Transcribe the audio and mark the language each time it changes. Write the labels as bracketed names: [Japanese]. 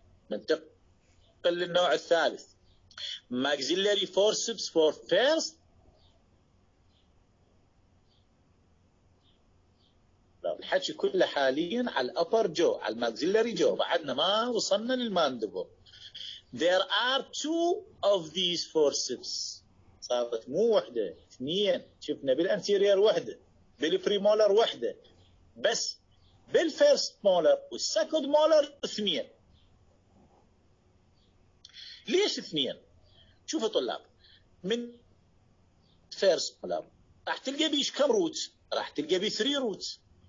[Arabic] ننتقل للنوع الثالث ماكسيلاري فورسبس فور فيرست. الحكي كله حاليا على الأبر جو، على الماكسيلاري جو، بعدنا ما وصلنا للماندبل. [English] There are two of these forceps. [Arabic] صارت مو واحدة، اثنين. شفنا بالأنتيريور واحدة، بالبريمولر واحدة، بس بالفيرست مولر والسكند مولر اثنين. ليش اثنين؟ شوفوا طلاب، من فيرست مولر راح تلقى بيش كم روت؟ راح تلقى بي 3 روت.